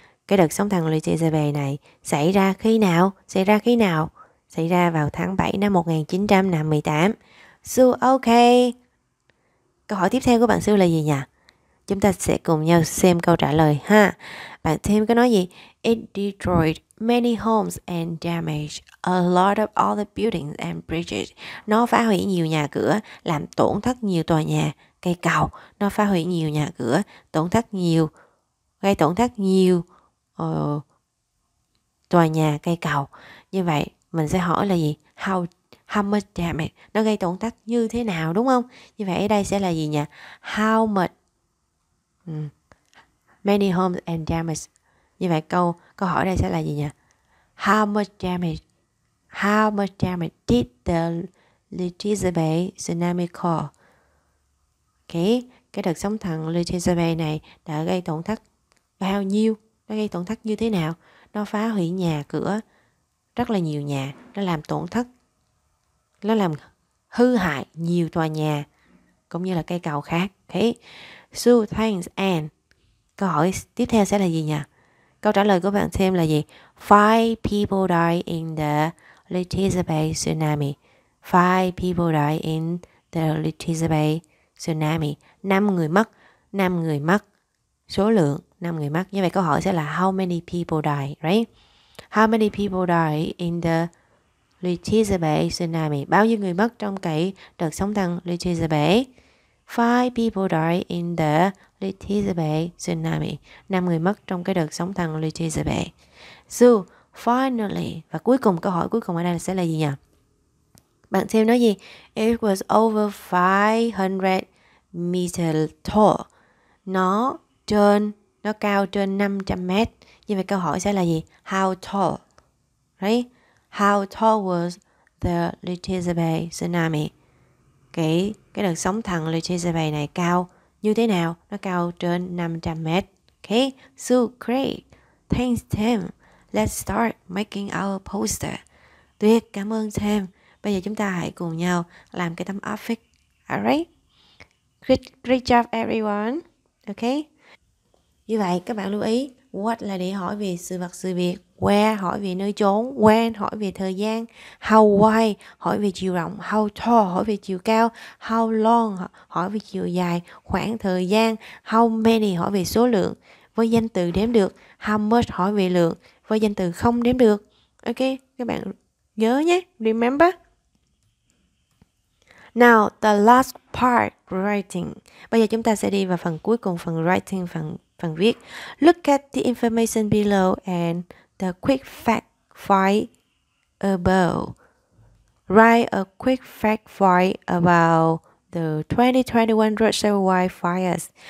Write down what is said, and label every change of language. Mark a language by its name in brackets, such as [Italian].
[Vietnamese] Cái đợt sóng thần Letizia Bay này xảy ra khi nào? Xảy ra khi nào? Xảy ra vào tháng 7 năm 1958. So okay. Câu hỏi tiếp theo của bạn Sue là gì nhỉ? Chúng ta sẽ cùng nhau xem câu trả lời ha. Bạn Tim có nói gì? [English] It destroyed many homes and damaged a lot of all the buildings and bridges. [Vietnamese] Nó phá hủy nhiều nhà cửa, làm tổn thất nhiều tòa nhà, cây cầu. Nó phá hủy nhiều nhà cửa, tổn thất nhiều, gây tổn thất nhiều tòa nhà, cây cầu. Như vậy, mình sẽ hỏi là gì? [English] How much damage? [Vietnamese] Nó gây tổn thất như thế nào đúng không? Như vậy ở đây sẽ là gì nhỉ? [English] How much? Many homes and damage. [Vietnamese] Như vậy câu hỏi đây sẽ là gì nhỉ? [English] How much damage did the Letizia Bay tsunami cause? Okay. [Vietnamese] Cái đợt sóng thần Letizia Bay này đã gây tổn thất bao nhiêu? Nó gây tổn thất như thế nào? Nó phá hủy nhà cửa, rất là nhiều nhà. Nó làm tổn thất, nó làm hư hại nhiều tòa nhà cũng như là cây cầu khác. Okay. [English] So thanks and [Vietnamese] câu hỏi tiếp theo sẽ là gì nhỉ? Câu trả lời của bạn thêm là gì? [English] 5 people died in the Letizia Bay tsunami. 5 people died in the Letizia Bay tsunami. [Vietnamese] 5 người mất. Số lượng 5 người mất. Như vậy câu hỏi sẽ là [English] how many people died, right? How many people died in the Letizia Bay tsunami? [Vietnamese] Bao nhiêu người mất trong cái đợt sóng thần Letizia Bay? [English] 5 people died in the Letizia Bay tsunami. [Vietnamese] 5 người mất trong cái đợt sóng thần Letizia Bay. [English] So, finally, [Vietnamese] và cuối cùng, câu hỏi cuối cùng ở đây sẽ là gì nhỉ? Bạn xem nói gì? [English] It was over 500 meters tall. [Vietnamese] Nó cao trên 500 mét. Như vậy câu hỏi sẽ là gì? [English] How tall? Right? How tall was the Letizia Bay tsunami? [Vietnamese] Cái đợt sóng thần Letizia Bay này cao như thế nào? Nó cao trên 500 mét. [English] Okay, so great. Thanks, Tim. Let's start making our poster. [Vietnamese] Tuyệt, cảm ơn Sam. Bây giờ chúng ta hãy cùng nhau làm cái tấm affix. Alright. [English] Great job everyone. Okay. [Vietnamese] Như vậy các bạn lưu ý, what là để hỏi về sự vật sự việc, where hỏi về nơi chốn, when hỏi về thời gian, how wide hỏi về chiều rộng, how tall hỏi về chiều cao, how long hỏi về chiều dài, khoảng thời gian, how many hỏi về số lượng với danh từ đếm được, how much hỏi về lượng với danh từ không đếm được. Ok, các bạn nhớ nhé, remember. [English] Now, the last part, writing. [Vietnamese] Bây giờ chúng ta sẽ đi vào phần cuối cùng, phần writing, phần viết. [English] Look at the information below and the quick fact find above. Write a quick fact find about the 2021 Russia wildfire fires.